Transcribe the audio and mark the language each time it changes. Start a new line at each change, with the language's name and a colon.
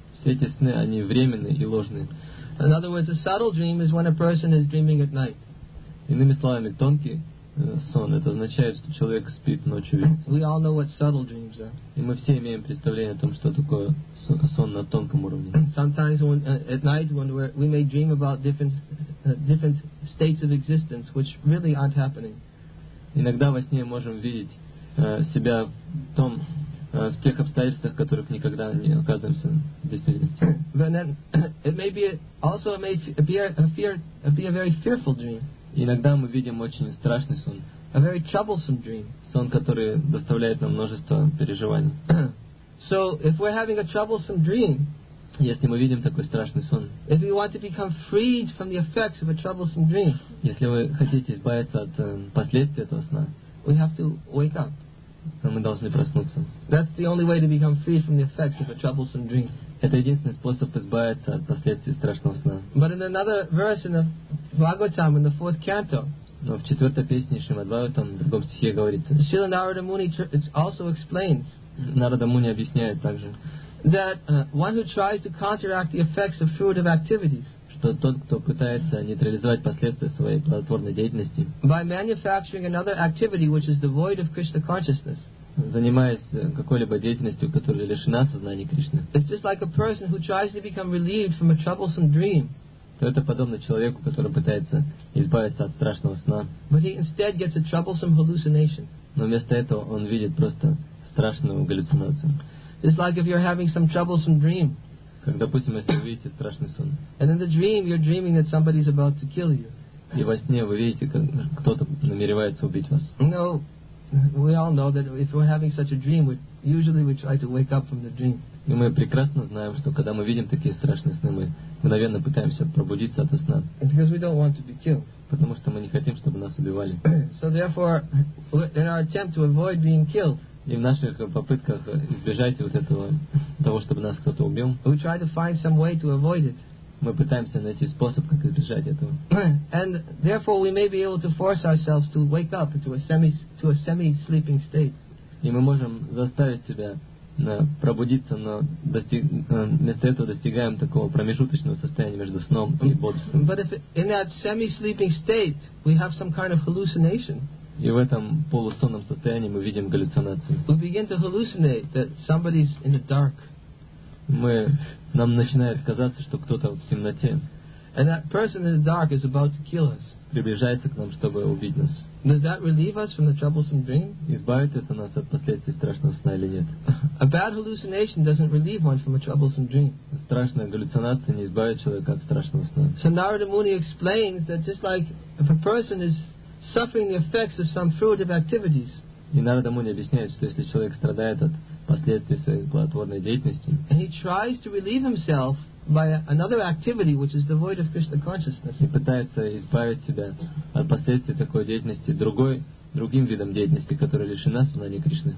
Russian: Все эти сны они временные и ложные.
English: In other words, a subtle dream is when a person is dreaming at night.
Russian: Иными словами, тонкий сон это означает, что человек спит ночью.
English: We all know what subtle dreams are.
Russian: И мы все имеем представление о том, что такое сон на тонком уровне.
English: Sometimes when, at night when we may dream about different states of existence which really aren't happening.
Russian: Иногда во сне можем видеть себя в тех обстоятельствах, которых никогда не оказываемся в действительности.
English: Then it may be also may be a very fearful dream.
Russian: Иногда мы видим очень страшный сон.
English: A very troublesome dream.
Russian: Сон, который доставляет нам множество переживаний.
English: So, if we're having a troublesome dream,
Russian: если мы видим такой страшный сон,
English: if we want to become freed from the effects of a troublesome dream,
Russian: если вы хотите избавиться от последствий этого сна,
English: we have to wake up.
Russian: Мы должны проснуться.
English: That's the only way to become free from the effects of a troublesome dream.
Russian: Это единственный способ избавиться от последствий страшного сна.
English: But in another verse in the Bhagavatam, in the fourth canto,
Russian: но в четвертой песне Шримад Бхагаватам, в другом стихе говорится,
English: Śrīla Nārada Muni also explains,
Russian: Narada Muni объясняет также,
English: that one who tries to counteract the effects of fruitive activities,
Russian: что тот, кто пытается нейтрализовать последствия своей плодотворной деятельности,
English: by manufacturing another activity which is devoid of Krishna consciousness,
Russian: занимаясь какой-либо деятельностью, которая лишена сознания Кришны,
English: it's just like a person who tries to become relieved from a troublesome dream.
Russian: То это подобно человеку, который пытается избавиться от страшного сна.
English: But he instead gets a troublesome hallucination.
Russian: Но вместо этого он видит просто страшную галлюцинацию.
English: It's like if you're having some troublesome dream.
Russian: Как, допустим, если вы видите страшный сон.
English: And in the dream you're dreaming that somebody's about to kill you.
Russian: И во сне вы видите, как кто-то намеревается убить вас.
English: No. We all know that if we're having such a dream, we usually try to wake up from the dream.
Russian: И мы прекрасно знаем, что когда мы видим такие страшные сны, мы мгновенно пытаемся пробудиться от сна.
English: And because we don't want to be killed.
Russian: Потому что мы не хотим, чтобы нас убивали.
English: So therefore, in our attempt to avoid being killed,
Russian: и в наших попытках избежать вот этого, того, чтобы нас кто-то убил,
English: we try to find some way to avoid it.
Russian: Мы пытаемся найти способ, как избежать этого.
English: And therefore, we may be able to force ourselves to wake up to a semi-sleeping state.
Russian: И мы можем заставить себя пробудиться, но вместо этого достигаем такого промежуточного состояния между сном и бодрствованием.
English: But if in that semi-sleeping state we have some kind of hallucination,
Russian: и в этом полусонном состоянии мы видим галлюцинацию,
English: we begin to hallucinate that somebody's in the dark.
Russian: Нам начинает казаться, что кто-то в темноте.
English: And that person in the dark is about to kill us.
Russian: Приближается к нам, чтобы убить нас.
English: Does that relieve us from the troublesome dream?
Russian: Избавит это нас от последствий страшного сна или нет?
English: A bad hallucination doesn't relieve one from a troublesome dream.
Russian: Страшная галлюцинация не избавит человека от страшного сна.
English: So Narada Muni explains that just like if a person is suffering the effects of some fruitive activities,
Russian: и Нарада Муни объясняет, что если человек страдает от последствий своей плодотворной деятельности,
English: and he tries to relieve himself by another activity which is devoid of Krishna consciousness,
Russian: и пытается избавить себя от последствий такой деятельности другим видом деятельности, которая лишена сознания Кришны,